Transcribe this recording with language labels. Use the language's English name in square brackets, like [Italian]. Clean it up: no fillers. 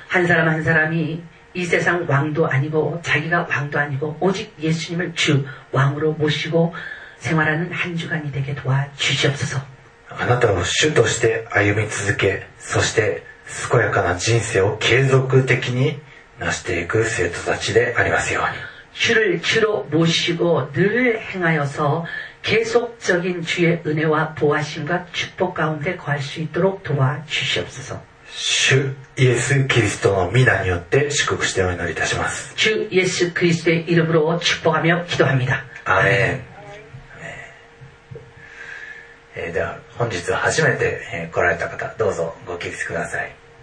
[Korean] 한사람한사람이이세상왕도아니고자기가왕도아니고오직예수님을주왕으로모시고생활하는한주간이되게도와주시옵소서 [Japanese] あなたを主として歩み続け、そして健やかな人生を継続的に成していく生徒たちでありますように。 [Korean] 主를주로모시고늘행하여서계속적인주의은혜와보호심과축복가운데거할수있도록도와주시옵소서。 [Japanese] 主イエスキリストの名によって祝福してお祈りいたします。主イエスキリストの [Korean] 이름으로축복하며기도합니다。 [Japanese] アーメン。では本日初めて来られた方どうぞご起立ください。